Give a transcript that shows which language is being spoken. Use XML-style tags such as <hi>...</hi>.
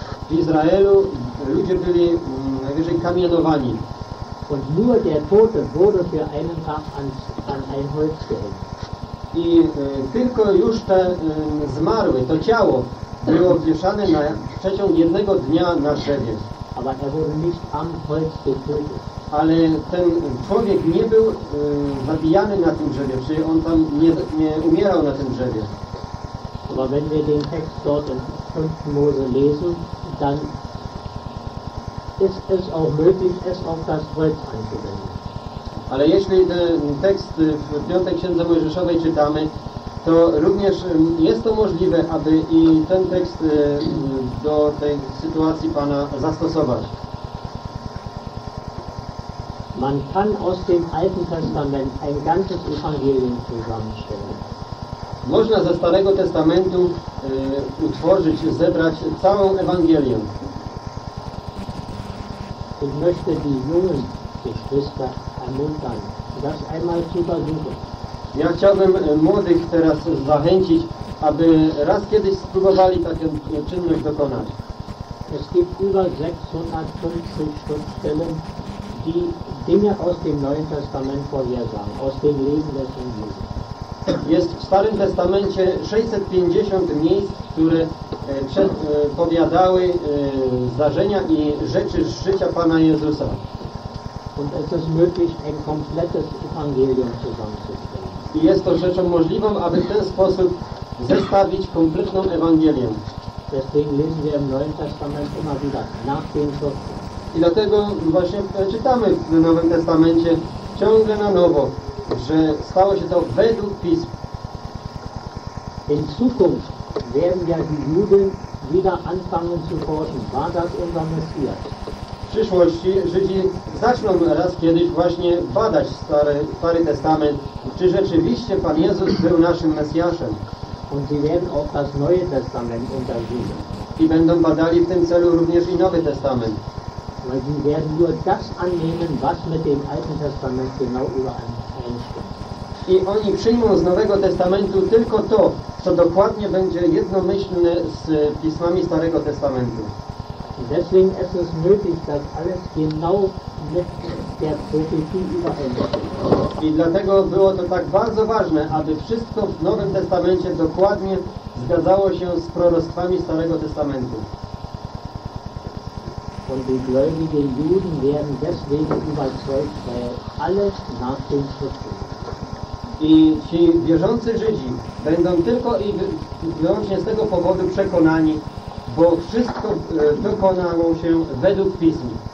<pl>W Izraelu ludzie byli najwyżej kamienowani.</pl> <de>Und nur der Tote wurde für einen Tag an ein Holz gehängt.</de> <pl>I tylko już te zmarły, to ciało było wieszane na przeciąg jednego dnia na drzewie.</pl> <de>Aber er wurde nicht am Holz getötet.</de> <pl>Ale ten człowiek nie był zabijany na tym drzewie, czyli on tam nie umierał na tym drzewie.</pl> <de>Aber wenn wir den Text dort in 5. Mose lesen, dann ist es auch möglich, es auf das Kreuz einzubinden.</de> <pl>Ale jeśli ten tekst w 5. Księdze Mojżeszowej czytamy, to również jest to możliwe, aby i ten tekst do tej sytuacji Pana zastosować.</pl> <de>Man kann aus dem Alten Testament ein ganzes Evangelium zusammenstellen.</de> <pl>Można ze Starego Testamentu utworzyć, zebrać całą Ewangelię.</pl> <de>Ich möchte die jungen Geschwister ermuntern, das einmal zu versuchen.</de> <pl>Ja chciałbym młodych teraz zachęcić, aby raz kiedyś spróbowali taką czynność dokonać.</pl> <de>Es gibt über 650 Schriftstellen, die Dinge aus dem Neuen Testament vorhersagen, aus dem Leben des Jesus.</de> <pl>Jest w Starym Testamencie 650 miejsc, które powiadały zdarzenia i rzeczy z życia Pana Jezusa.</pl> <de>Und es ist möglich, ein komplettes Evangelium zusammenzustellen.</de> <pl>I jest to rzeczą możliwą, aby w ten sposób zestawić kompletną Ewangelię.</pl> <de>Deswegen lesen wir im Neuen Testament immer wieder nach den Schriften.</de> <pl>I dlatego właśnie czytamy w Nowym Testamencie ciągle na nowo, że stało się to według Pism.</pl> <de>In Zukunft werden ja die Juden wieder anfangen zu forschen. War das unser Messias?</de> <pl>W przyszłości Żydzi zaczną raz kiedyś właśnie badać Stary Testament, czy rzeczywiście Pan Jezus był naszym Mesjaszem.</pl> <de>Und sie werden auch das Neue Testament untersuchen.</de> <pl>I będą badali w tym celu również i Nowy Testament.</pl> <de>Weil sie werden nur das annehmen, was mit dem Alten Testament genau übereinstimmt.</de> <pl>I oni przyjmą z Nowego Testamentu tylko to, co dokładnie będzie jednomyślne z pismami Starego Testamentu.</pl> <de>Deswegen ist es möglich, dass alles genau mit der Prophetie übereinstimmt.</de> <pl>I dlatego było to tak bardzo ważne, aby wszystko w Nowym Testamencie dokładnie zgadzało się z proroctwami Starego Testamentu.</pl> <de>Und die gläubigen Juden werden deswegen überzeugt, weil alles nach den Schriften.</de> <pl>I ci wierzący Żydzi będą tylko i wyłącznie z tego powodu przekonani, bo wszystko dokonało się według Pism.</pl>